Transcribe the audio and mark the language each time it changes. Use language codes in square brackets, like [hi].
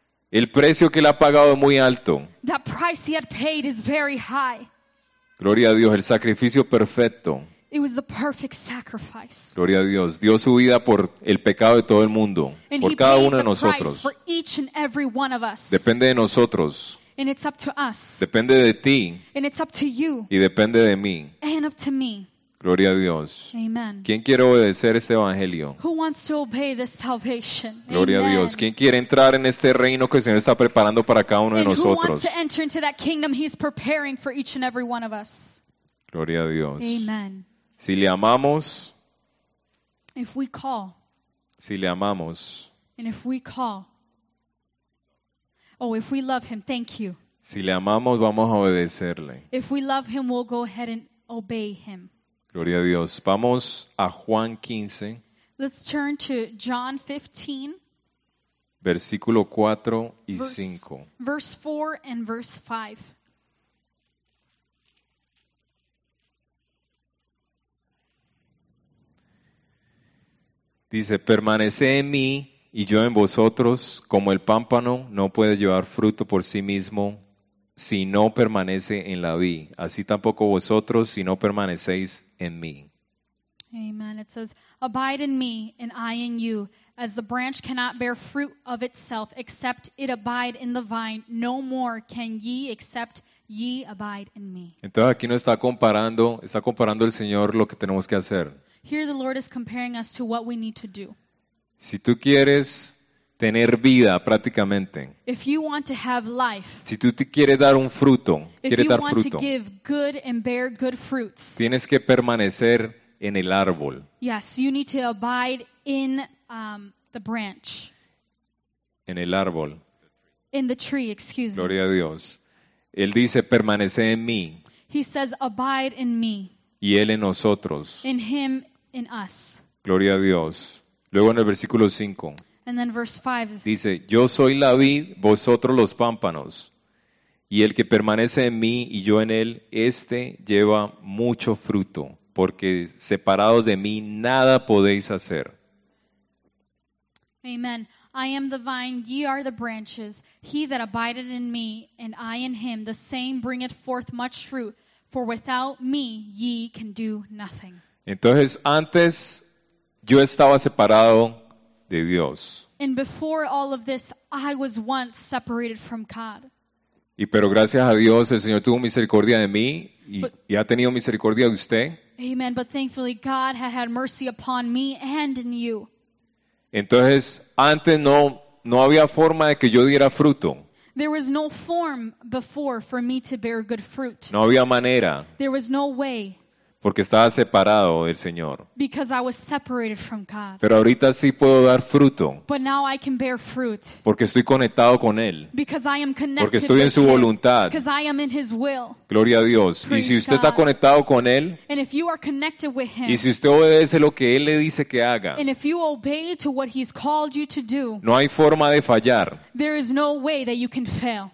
[es] El precio que él ha pagado es muy alto. [en] That price he had paid is very high. [es] Gloria a Dios, el sacrificio perfecto. [en] It was the perfect sacrifice. [es] Gloria a Dios, dio su vida por el pecado de todo el mundo, [en] and [es] por cada uno de nosotros. [en] For each and every one of us. [es] Depende de nosotros. [en] And it's up to us. [es] Depende de ti. [en] And it's up to you. [es] Y depende de mí. [en] And up to me. [es] Gloria a Dios. [en] Amen. [es] ¿Quién quiere obedecer este evangelio? [en] Who wants to obey this salvation? [es] Gloria [en] Amen. [es] A Dios. ¿Quién quiere entrar en este reino que el Señor está preparando para cada uno [en] and [es] de nosotros? [en] Who wants to enter into that kingdom he's preparing for each and every one of us? [es] Gloria a Dios. [en] Amen. [es] Si le amamos. [en] If we call. [es] Si le amamos. [en] And if we call. Oh, if we love him, thank you. [es] Si le amamos, vamos a obedecerle. [en] If we love him, we'll go ahead and obey him. [es] Gloria a Dios. Vamos a Juan 15. [en] Let's turn to John 15. [es] Versículo 4 y 5. [en] Verse 4 and verse 5. [es] Dice, permanece en mí y yo en vosotros, como el pámpano no puede llevar fruto por sí mismo, si no permanece en la vid, así tampoco vosotros si no permanecéis en mí. [en] Amen. It says, abide in me and I in you. As the branch cannot bear fruit of itself except it abide in the vine, no more can ye except ye abide in me. [es] Entonces aquí nos está comparando el Señor lo que tenemos que hacer. [en] Here the Lord is comparing us to what we need to do. [es] Si tú quieres tener vida prácticamente. [en] If you want to have life, [es] si tú te quieres dar un fruto, quieres dar fruto. [en] If you want to give good and bear good fruits, [es] tienes que permanecer en el árbol. [en] Yes, you need to abide in the branch. [es] En el árbol. [en] In the tree, excuse me. [es] Gloria a Dios. Él dice, permanece en mí. [en] He says, abide in me. [es] Y él en nosotros. [en] In him, in us. [es] Gloria a Dios. Luego en el versículo 5. [en] And then verse 5 is, [es] dice, yo soy la vid, vosotros los pámpanos. Y el que permanece en mí y yo en él, este lleva mucho fruto, porque separados de mí nada podéis hacer. [en] Amen. I am the vine, ye are the branches. He that abideth in me and I in him, the same bringeth forth much fruit, for without me ye can do nothing. [es] Entonces, antes yo estaba separado de Dios. [en] And before all of this, I was once separated from God. [es] Y pero gracias a Dios, el Señor tuvo misericordia de mí y ha tenido misericordia de usted. [en] Amen. But thankfully, God had mercy upon me and in you. [es] Entonces, antes no No había forma de que yo diera fruto. [en] There was no form before for me to bear good fruit. [es] No había manera. [en] There was no way. [es] Porque estaba separado del Señor. [en] Because I was separated from God. [es] Pero ahorita sí puedo dar fruto. [en] But now I can bear fruit. [es] Porque estoy conectado con Él. [en] Because I am connected. [es] Porque estoy en su voluntad. [en] Because I am in His will. [es] Gloria a Dios. [en] Praise [es] y si usted [en] God. [es] Está conectado con Él. [en] And if you are connected with Him. [es] Y si usted obedece lo que Él le dice que haga. [en] And if you obey to what He's called you to do. [es] No hay forma de fallar. [en] There is no way that you can fail.